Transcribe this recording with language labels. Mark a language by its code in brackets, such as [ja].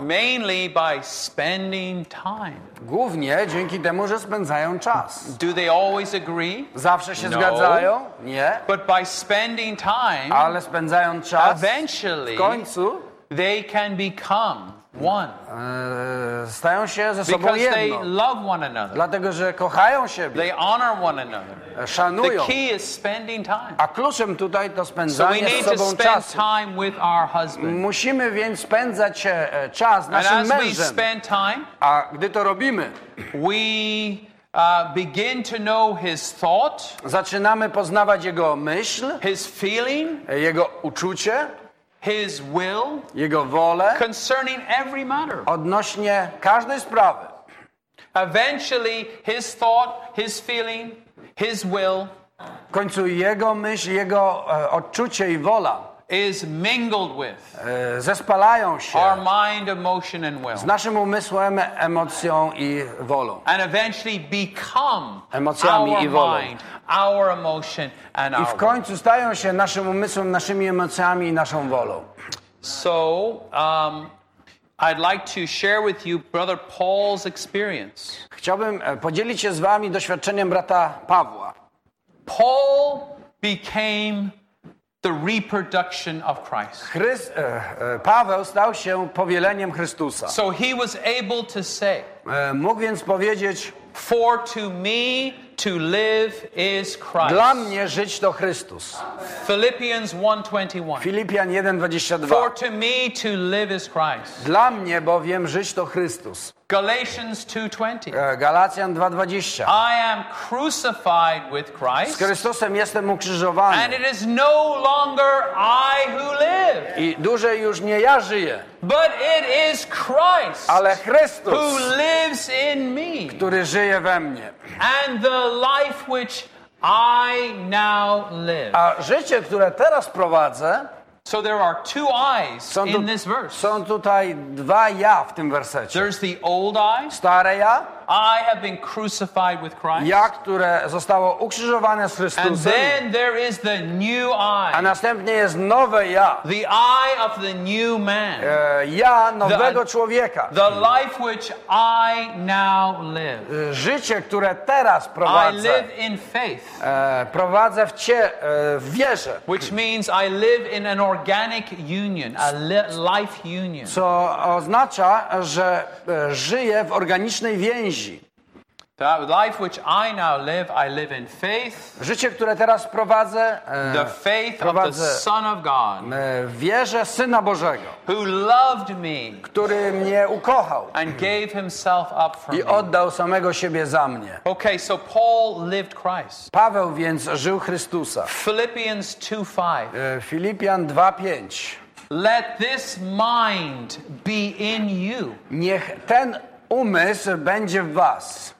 [en] Mainly by spending time. [pl] Głównie dzięki temu, że spędzają czas. [en] Do they always agree? [pl] Zawsze się [en] no. [pl] zgadzają? Nie. [en] But by spending time, [pl] ale spędzając czas, [en] eventually, [pl] w końcu, [en] they can become one. [pl] Stają się ze [en] Because [pl] sobą jedno. [en] They love one another. [pl] Dlatego, że kochają siebie. [en] They honor one another. [pl] Szanują. [en] The key is spending time. [pl] A kluczem tutaj to spędzanie [en] so we need [pl] ze sobą [en] to spend [pl] czasu. [en] Time with our husband. [pl] Musimy więc spędzać czas [en] And [pl] naszym [en] as [pl] mężem. [en] We spend time, [pl] a gdy to robimy, [en] we begin to know his thought, [pl] zaczynamy poznawać jego myśl, [en] his feeling, [pl] jego uczucie, [en] His will, [pl] jego wolę, [en] concerning every matter, [pl] odnośnie każdej sprawy. [en] Eventually, his thought, his feeling, his will, [pl] w końcu jego myśl, jego odczucie i wola, [en] is mingled with, [pl] zespalają się, [en] our mind, emotion, and will, [pl] z naszym umysłem, emocją i wolą, [en] and eventually become, [pl] emocjami [en] our [pl] i wolą. [en] Mind. Our emotion and our [pl] I w końcu stają się naszym umysłem, naszymi emocjami i naszą wolą. [en] So, I'd like to share with you brother Paul's experience. [pl] Chciałbym podzielić się z wami doświadczeniem brata Pawła. [en] Paul became the reproduction of Christ. [pl] Paweł stał się powieleniem Chrystusa. [en] So he was able to say. [pl] Mógł więc powiedzieć. [en] For to me to live is Christ. [pl] Dla mnie żyć to Chrystus. [en] Philippians 1:21. [pl] Filipian 1:22. [en] For to me to live is Christ. [pl] Dla mnie bowiem żyć to Chrystus. [en] Galatians 2:20. [pl] Galacjan 2:20. [en] I am crucified with Christ. [pl] Z Chrystusem jestem ukrzyżowany. [en] And it is no longer I who live. [pl] I dłużej już nie ja żyję. [en] But it is Christ. [pl] Ale Chrystus. [en] Who lives in me. [pl] Który żyje we mnie. [en] And the life which I now live. [pl] A życie, które teraz prowadzę. [en] So there are two eyes in this verse. [pl] Są tutaj dwa ja w tym wersecie. [en] There's the old I. [pl] Stare ja. [en] I have been crucified with Christ. [pl] Ja, które zostało ukrzyżowane z Chrystusem. [en] And then there is the new I. [pl] A następnie jest nowe ja. [en] The I of the new man. [pl] Ja nowego człowieka. [en] The life which I now live. [pl] Życie, które teraz prowadzę. [en] I live in faith. [pl] Prowadzę w wierze. [en] Which means I live in an organic union, a life union. [pl] Co oznacza, że żyję w organicznej więzi. [en] That life which I now live, I live in faith. [pl] Życie, które teraz prowadzę, [en] the faith [pl] prowadzę [en] of the Son of God, [pl] wierzę Syna Bożego, [en] who loved me, [pl] który mnie ukochał, [en] and gave himself up for [pl] me, i oddał samego siebie za mnie. [en] Okay, so Paul lived Christ. [pl] Paweł więc żył Chrystusa. [en] Philippians 2:5. [pl] Filipian 2:5. [en] Let this mind be in you. [pl] Niech ten umysł będzie w was,